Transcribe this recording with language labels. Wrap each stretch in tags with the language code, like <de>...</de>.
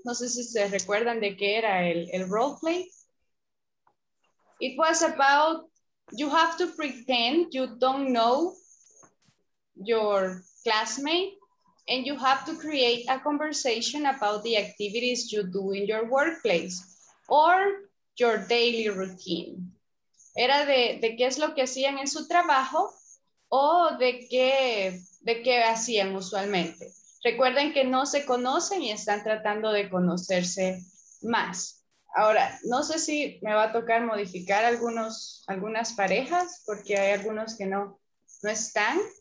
<es>No sé si se recuerdan de qué era el role play.</es> <en>It was about you have to pretend you don't know your classmate. And you have to create a conversation about the activities you do in your workplace or your daily routine.</en> <es>Era de qué es lo que hacían en su trabajo o de qué hacían usualmente. Recuerden que no se conocen y están tratando de conocerse más. Ahora, no sé si me va a tocar modificar algunas parejas porque hay algunos que no están.</es>